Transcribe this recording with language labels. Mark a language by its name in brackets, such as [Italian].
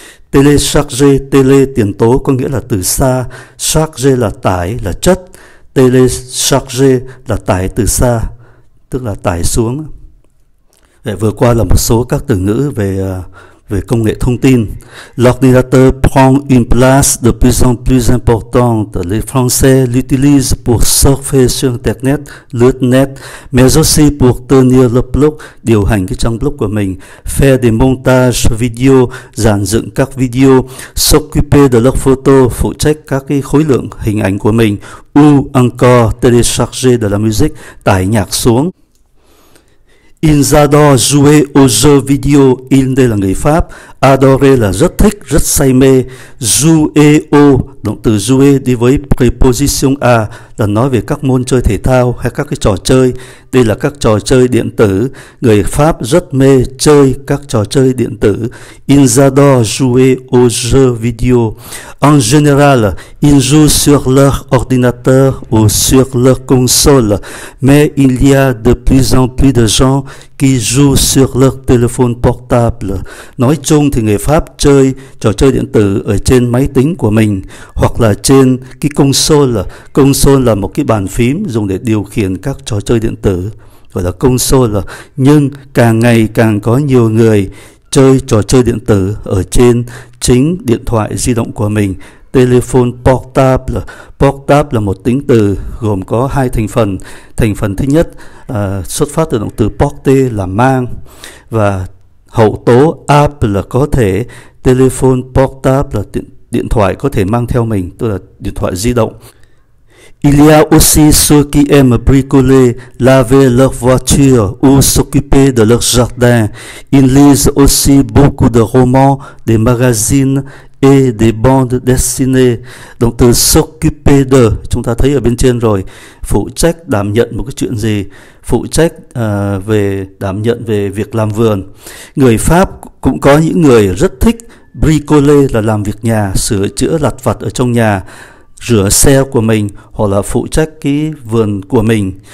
[Vietnamese] Télécharger, télé tiền tố có nghĩa là từ xa, charger là tải, là chất, télécharger là tải từ xa, tức là tải xuống. Vậy vừa qua là một số các từ ngữ về công nghệ thông tin. [French] L'ordinateur prend une place de plus en plus importante. Les Français l'utilisent pour surfer sur Internet, [Vietnamese] lướt net, [French] mais aussi pour tenir le blog, [Vietnamese] điều hành cái trang blog của mình, [French] faire des montages vidéo, [Vietnamese] dàn dựng các video, [French] s'occuper de la photo, [Vietnamese] phụ trách các cái khối lượng hình ảnh của mình, [French] ou encore télécharger de la musique, [Vietnamese] tải nhạc xuống. [French] Ils adorent jouer aux jeux vidéo. [Vietnamese] Ils đây là người Pháp. Adorer là rất thích, rất say mê. Jouer au, động từ jouer đi với preposition à, là nói về các môn chơi thể thao hay các cái trò chơi. Đây là các trò chơi điện tử. Người Pháp rất mê chơi các trò chơi điện tử. [French] Ils adorent jouer aux jeux vidéo. En général, ils jouent sur leur ordinateur ou sur leur console. Mais il y a de plus en plus de gens qui jouent sur leur téléphone portable. [Vietnamese] Nói chung thì người Pháp chơi trò chơi điện tử ở trên máy tính của mình hoặc là trên cái console. Console là một cái bàn phím dùng để điều khiển các trò chơi điện tử, gọi là console. Nhưng càng ngày càng có nhiều người chơi trò chơi điện tử ở trên chính điện thoại di động của mình. Telephone portable. Portable là một tính từ gồm có hai thành phần. Thành phần thứ nhất xuất phát từ động từ porter là mang, và hậu tố app là có thể. Telephone portable là điện thoại có thể mang theo mình, tức là điện thoại di động. [French] Il y a aussi ceux qui aiment bricoler, laver leur voiture ou s'occuper de leur jardin. Ils lisent aussi beaucoup de romans, des magazines et des bandes dessinées. [Vietnamese] Donc, từ s'occuper de, chúng ta thấy ở bên trên rồi, phụ trách đảm nhận một cái chuyện gì, phụ trách về đảm nhận về việc làm vườn. Người Pháp cũng có những người rất thích bricoler, là làm việc nhà, sửa chữa lặt vặt ở trong nhà, rửa xe của mình hoặc là phụ trách cái vườn của mình.